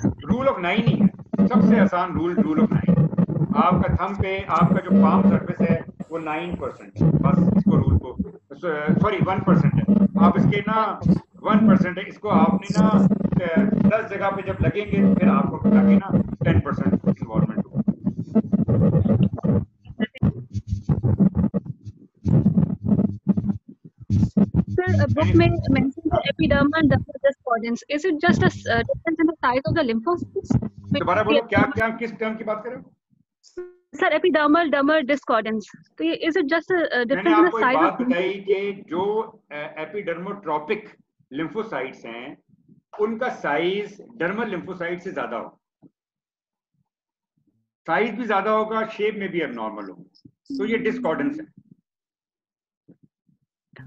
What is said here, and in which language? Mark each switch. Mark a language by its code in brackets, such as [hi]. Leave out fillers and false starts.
[hi] Rule of 9 ही है, सबसे आसान रूल रूल ऑफ 9। आपका थंब पे आपका जो पाम सरफेस है वो 9% बस, इसको रूल को सॉरी 1% है, आप इसके ना 1% है, इसको आपने ना 10 जगह पे जब लगेंगे फिर आपको लगे ना 10% इन्वॉल्वमेंट होगा। [en] book mentions epiderma and discordans. Is it just a difference in the size of the lymphocytes? [hi] दोबारा बोलो क्या क्या किस टर्म की बात कर रहे हो? [en] sir epidermal dermal discordance [hi] तो ये [en] is it just a difference in the size of [hi] कई के जो एपिडर्मोट्रोपिक लिम्फोसाइट्स हैं उनका साइज डर्मल लिम्फोसाइट से ज्यादा हो साइज भी ज्यादा होगा शेप में भी एबनॉर्मल हो तो ये डिस्कॉर्डेंस है